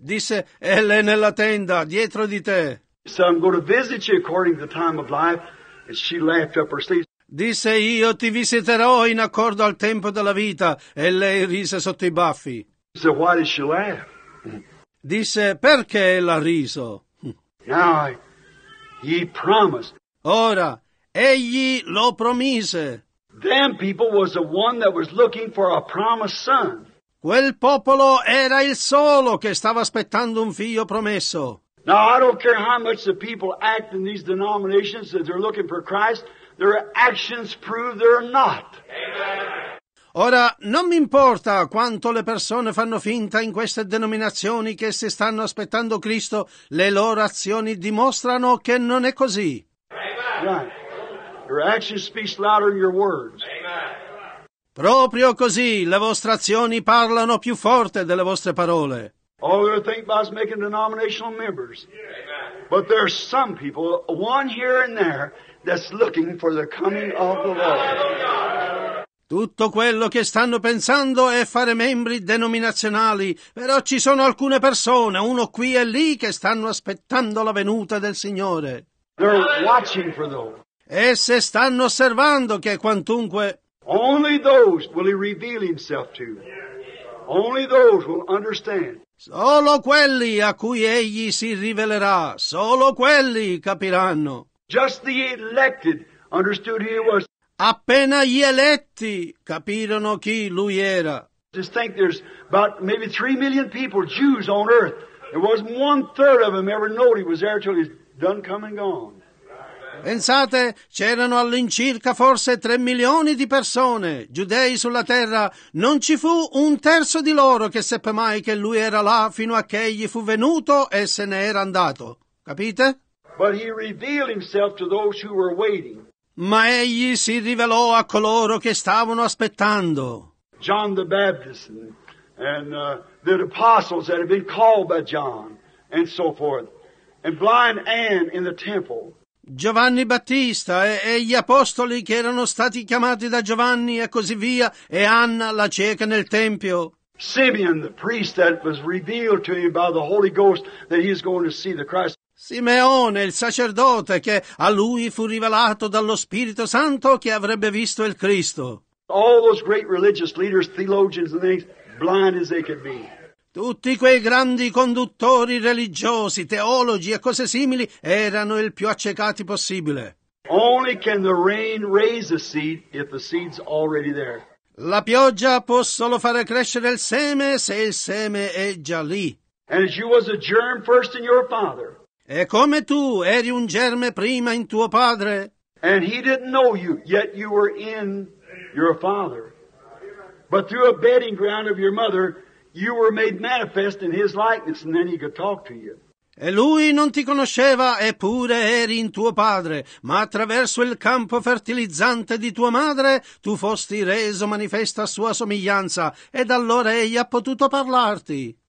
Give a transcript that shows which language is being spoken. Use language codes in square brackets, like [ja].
[it] Disse, è lei nella tenda, dietro di te. [en] So I'm going to visit you according to the time of life. And she laughed up her sleeve. [it] Disse, io ti visiterò in accordo al tempo della vita. E lei rise sotto i baffi. [en] So why did she laugh? [it] Disse, perché l'ha riso? [en] Now, he promised. [it] Ora, egli lo promise. [en] Them people was the one that was looking for a promised son. [it] Quel popolo era il solo che stava aspettando un figlio promesso. [en] Now I don't care how much the people act in these denominations that they're looking for Christ, their actions prove they're not. [it] Ora, non mi importa quanto le persone fanno finta in queste denominazioni che si stanno aspettando Cristo, le loro azioni dimostrano che non è così. [en] Right. Your actions speak louder than your words. [it] Proprio così, le vostre azioni parlano più forte delle vostre parole. [en] All they're thinking about is making denominational members. But there are some people, one here and there, that's looking for the coming of the Lord. [it] Tutto quello che stanno pensando è fare membri denominazionali, però ci sono alcune persone, uno qui e lì, che stanno aspettando la venuta del Signore. [en] They're watching for those. [it] Esse stanno osservando che quantunque... [en] Only those will he reveal himself to. Only those will understand. [it] Solo quelli a cui egli si rivelerà, solo quelli capiranno. [en] Just the elected understood who he was. [it] Appena gli eletti capirono chi lui era. [en] Just think, there's about maybe 3 million people, Jews, on earth. There wasn't one third of them ever knew he was there until he's done come and gone. [it] Pensate, c'erano all'incirca forse 3 milioni di persone, giudei sulla terra. Non ci fu un terzo di loro che seppe mai che lui era là fino a che egli fu venuto e se ne era andato. Capite? [en] But he revealed himself to those who were waiting. [it] Ma egli si rivelò a coloro che stavano aspettando. [en] John the Baptist and the apostles that had been called by John and so forth. And blind Anne in the temple. [it] Giovanni Battista e gli apostoli che erano stati chiamati da Giovanni e così via, e Anna la cieca nel tempio. [en] Simeon, the priest that was revealed to him by the Holy Ghost that he is going to see the Christ. [it] Simeone, il sacerdote, che a lui fu rivelato dallo Spirito Santo che avrebbe visto il Cristo. [en] All those great religious leaders, theologians and things, blind as they could be. [it] Tutti quei grandi conduttori religiosi, teologi e cose simili erano il più accecati possibile. [en] Only can the rain raise a seed if the seed's already there. [it] La pioggia può solo fare crescere il seme se il seme è già lì. [en] And as you was a germ first in your father. [it] E come tu eri un germe prima in tuo padre. [en] And he didn't know you, yet you were in your father. But through a bedding ground of your mother, you were made manifest in his likeness, and then he could talk to you. [it] E lui non ti conosceva, eppure eri in tuo padre, ma attraverso il campo fertilizzante di tua madre, tu fosti reso manifesto a sua somiglianza, ed allora egli ha potuto parlarti.